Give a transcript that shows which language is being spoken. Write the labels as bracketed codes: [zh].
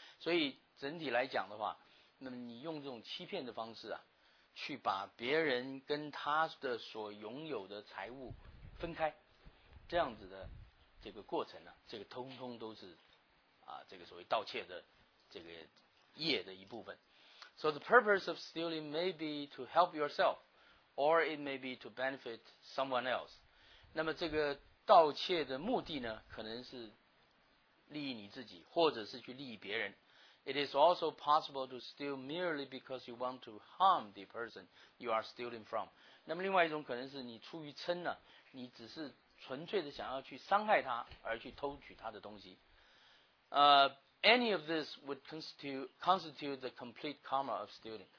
[zh] 所以整体来讲的话，那么你用这种欺骗的方式啊，去把别人跟他的所拥有的财物分开，这样子的这个过程呢、啊，这个通通都是啊，这个所谓盗窃的这个业的一部分。 [en] So the purpose of stealing may be to help yourself, or it may be to benefit someone else. [zh] 那么这个盗窃的目的呢，可能是利益你自己，或者是去利益别人。 [en] It is also possible to steal merely because you want to harm the person you are stealing from. [zh] 那么另外一种可能是你出于嗔呢，你只是纯粹的想要去伤害他而去偷取他的东西。 [en] Any of this would constitute the complete karma of stealing.